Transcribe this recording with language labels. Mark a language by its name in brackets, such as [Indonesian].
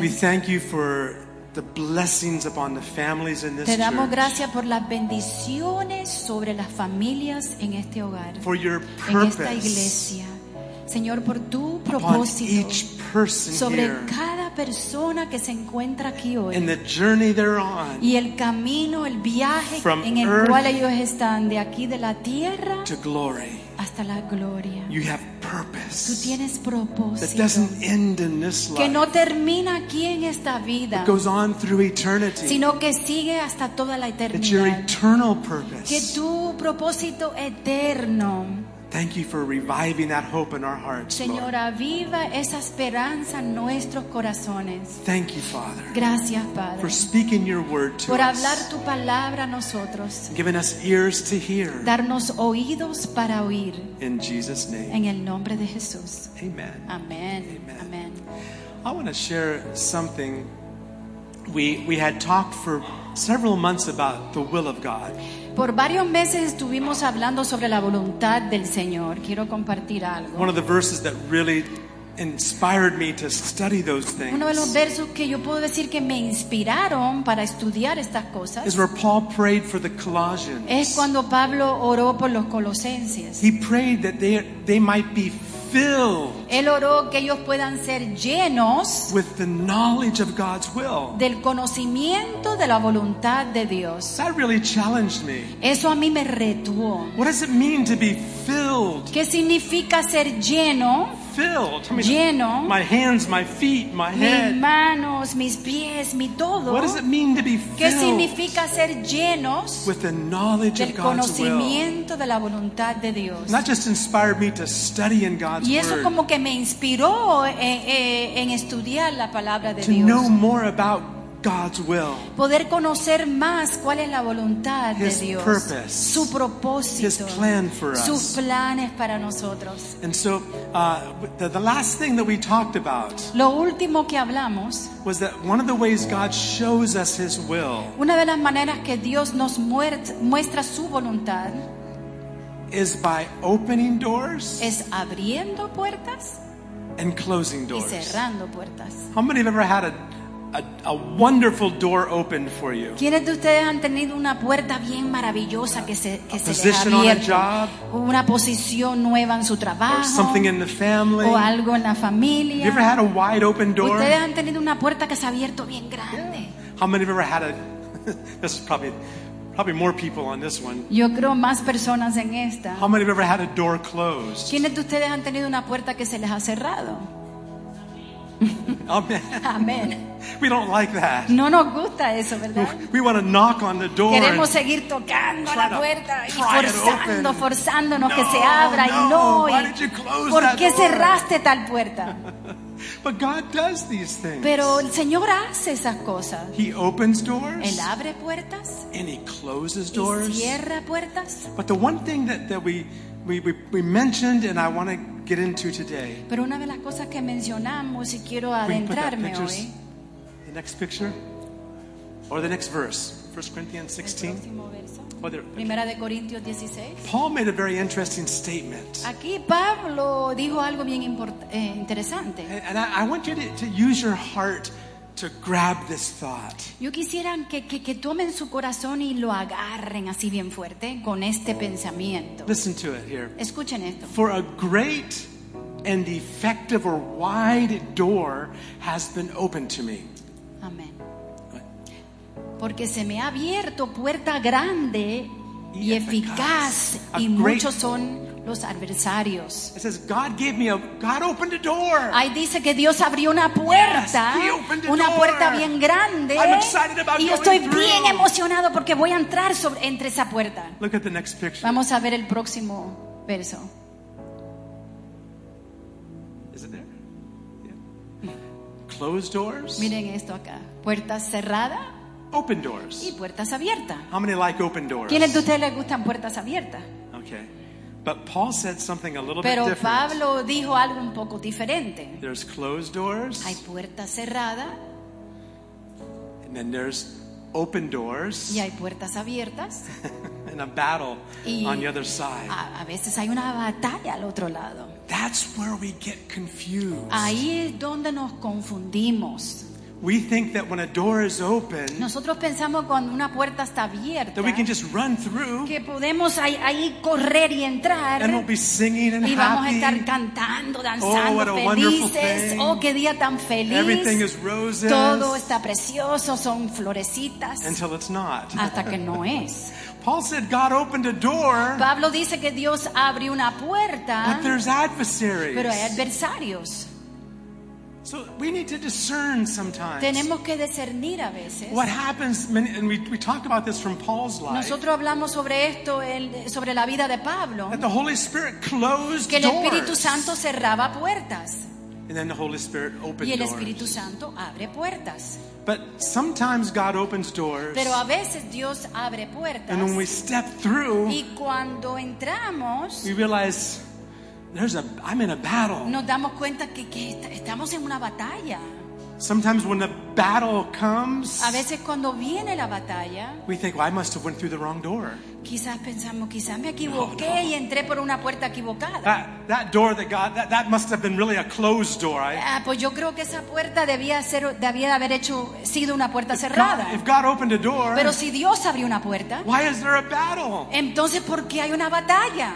[English] We thank you for the blessings upon the families in this church. [Spanish] Te damos gracias por las bendiciones sobre las familias en este hogar. [English] For your [Spanish] purpose. En esta iglesia. Señor, por tu propósito. [English] Upon each person [Spanish] sobre [English] here. [Spanish] Cada persona que se encuentra aquí hoy. [English] And the journey they're on. [Spanish] Y el camino, el viaje [English] from [Spanish] en el cual ellos están de aquí de la tierra. [English] To glory. [Spanish] Hasta la gloria. [English] You have purpose. [Spanish] Tú tienes propósito. [English] That doesn't end in this life. [Spanish] Que no termina aquí en esta vida. [English] It goes on through eternity. [Spanish] Sino que sigue hasta toda la eternidad. [English] It's your eternal purpose. [Spanish] Que tu propósito eterno. [English] Thank you for reviving that hope in our hearts, Lord. [Spanish] Señora, aviva esa esperanza en nuestros corazones. [English] Thank you, Father. [Spanish] Gracias, Padre. [English] For speaking your word to us. [Spanish] Por hablar tu palabra a nosotros. [English] Giving us ears to hear. [Spanish] Darnos oídos para oír. [English] In Jesus' name. [Spanish] En el nombre de Jesús. [English] Amen. [Spanish] Amen. [English] Amen. [Spanish] Amen. [English] I want to share something. We had talked for several months about the will of God. [Spanish] Por varios meses estuvimos hablando sobre la voluntad del Señor. Quiero compartir algo. [English] One of the verses that really inspired me to study those things. [Spanish] Uno de los versos que yo puedo decir que me inspiraron para estudiar estas cosas. [English] Is where Paul prayed for the Colossians. [Spanish] Es cuando Pablo oró por los colosenses. [English] He prayed that they might be filled. [Spanish] Él oró que ellos puedan ser llenos [English] with the knowledge of God's will. [Spanish] Del conocimiento de la voluntad de Dios. [English] That really challenged me. [Spanish] Eso a mí me retuvo. [English] What does it mean to be filled? [Spanish] ¿Qué significa ser lleno? [English] Filled. I mean, lleno. My hands, my feet, my head. [Spanish] Mis manos, mis pies, mi todo. [English] What does it mean to be filled? [Spanish] ¿Qué significa ser llenos [English] with the knowledge [Spanish] del [English] of God's [Spanish] conocimiento [English] will? [Spanish] De la voluntad de Dios. [English] Not just inspired me to study in God's [Spanish] y eso [English] word. [Spanish] Como que me inspiró en estudiar la palabra de [English] to [Spanish] Dios. [English] To know more about God's will. [Spanish] Poder conocer más cuál es la voluntad [English] His [Spanish] de Dios. [English] Purpose, [Spanish] su propósito. [English] His plan for us. [Spanish] Sus planes para nosotros. [English] And so the last thing that we talked about. [Spanish] Lo último que hablamos. [English] Was that one of the ways God shows us His will. [Spanish] Una de las maneras que Dios nos muestra su voluntad. [English] Is by opening doors. [Spanish] Es abriendo puertas. [English] And closing doors. [Spanish] Y cerrando puertas. [English] How many have ever had a wonderful door opened for you? [Spanish] ¿Quiénes de ustedes han tenido una puerta bien maravillosa que [English] a position [Spanish] se les ha abierto? [English] On a job, [Spanish] una posición nueva en su trabajo. [English] Or something in the family. [Spanish] O algo en la familia. [English] You ever had a wide open door? [Spanish] ¿Ustedes han tenido una puerta que se ha abierto bien grande? [English] Yeah. How many have ever had a this is probably more people on this one. [Spanish] Yo creo más personas en esta. [English] How many have ever had a door closed? [Spanish] ¿Quiénes de ustedes han tenido una puerta que se les ha cerrado? [English] Amen. [Spanish] Amen. [English] We don't like that. [Spanish] No nos gusta eso, ¿verdad? [English] We want to knock on the door. [Spanish] Queremos seguir tocando la puerta y forzando, forzándonos que se abra y no. [English] Why did you close that [Spanish] door? ¿Por qué cerraste tal puerta? [English] But God does these things. [Spanish] Pero el Señor hace esas cosas. [English] He opens doors. [Spanish] Él abre puertas. [English] And he closes doors. [Spanish] Y cierra puertas. [English] But the one thing that we mentioned and I want to get into today. [Spanish] Pero una de las cosas que mencionamos y quiero adentrarme hoy. [English] The next picture or the next verse, 1 Corinthians 16. [Spanish] Primera de Corintios 16. [English] Paul made a very interesting statement. [Spanish] Aquí Pablo dijo algo bien interesante. [English] And I want you to use your heart to grab this thought. [Spanish] Yo quisiera que tomen su corazón y lo agarren así bien fuerte con este pensamiento. [English] Listen to it here. [Spanish] Escuchen esto. [English] For a great and effective or wide door has been opened to me. [Spanish] Amén. Porque se me ha abierto puerta grande y eficaz y muchos son los adversarios. [English] It says God gave me a God opened a door. [Spanish] Ahí dice que Dios abrió una puerta, una puerta bien grande. [English] I'm excited about [Spanish] y yo estoy bien emocionado porque voy a entrar entre esa puerta. [English] Look at the next picture. [Spanish] Vamos a ver el próximo verso. [English] Is it there? Yeah. Closed doors. [Spanish] Miren esto acá. Puerta cerrada. [English] Open doors. [Spanish] Y puertas abiertas. [English] How many like open doors? [Spanish] ¿Quiénes de ustedes les gustan puertas abiertas? [English] Okay. But Paul said something a little [Spanish] Pero [English] bit different. [Spanish] Pablo dijo algo un poco diferente. [English] There's closed doors. [Spanish] Hay puertas cerradas. [English] And then there's open doors. [Spanish] Y hay puertas abiertas. [English] And a battle on the other side. [Spanish] A veces hay una batalla al otro lado. [English] That's where we get confused. [Spanish] Ahí es donde nos confundimos. [English] We think that when a door is open, [Spanish] nosotros pensamos cuando una puerta está abierta, [English] that we can just run through, [Spanish] que podemos ahí correr y entrar, [English] and we'll be singing and [Spanish] y vamos [English] happy. [Spanish] A estar cantando, danzando, [English] oh, what a [Spanish] felices. [English] Wonderful thing. [Spanish] Oh, qué día tan feliz. [English] Everything is roses. [Spanish] Todo está precioso, son florecitas. [English] Until it's not. [Spanish] Hasta que no es. [English] Paul said God opened a door. [Spanish] Pablo dice que Dios abrió una puerta. [English] But there's adversaries. [Spanish] Pero hay adversarios. [English] So we need to discern sometimes. [Spanish] Tenemos que discernir a veces. [English] What happens, and we talked about this from Paul's life. [Spanish] Nosotros hablamos sobre esto, sobre la vida de Pablo. [English] That the Holy Spirit closed doors. [Spanish] Que el Espíritu Santo cerraba puertas. [English] And then the Holy Spirit opened [Spanish] y el Espíritu Santo abre puertas. [English] But sometimes God opens doors. [Spanish] Pero a veces Dios abre puertas. [English] And when we step through, [Spanish] y cuando entramos, [English] we realize, I'm in a battle. [Spanish] Nos damos cuenta que estamos en una batalla. [English] Sometimes when the battle comes, [Spanish] a veces cuando viene la batalla, [English] we think, well, I must have went through the wrong door. [Spanish] Quizás pensamos, quizás me equivoqué y entré por una puerta equivocada. [English] That door that God, that must have been really a closed door. [Spanish] Pues yo creo que esa puerta debía haber sido una puerta cerrada. [English] If God opened a door, [Spanish] pero si Dios abrió una puerta, [English] why is there a battle? [Spanish] Entonces, ¿por qué hay una batalla?